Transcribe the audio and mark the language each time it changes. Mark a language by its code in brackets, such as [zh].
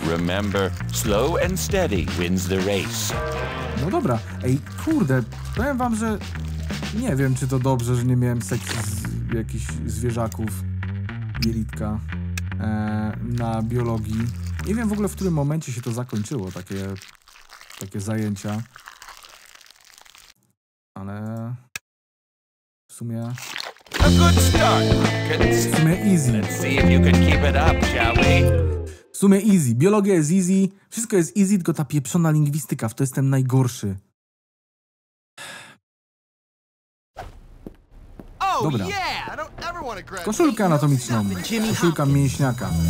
[en] Remember, slow and steady wins the race. [pl] No dobra. Ej, kurde, powiem wam, że nie wiem, czy to dobrze, że nie miałem seks z jakichś zwierzaków. Jelitka. Na biologii. Nie wiem w ogóle, w którym momencie się to zakończyło, takie zajęcia. Ale w sumie... [en] A good start. [pl] W sumie easy. [en] Let's see if you can keep it up, shall we? [pl] W sumie easy. Biologia jest easy. Wszystko jest easy, tylko ta pieprzona lingwistyka. W to jestem najgorszy. Dobra. Koszulkę anatomiczną. Koszulka mięśniaka.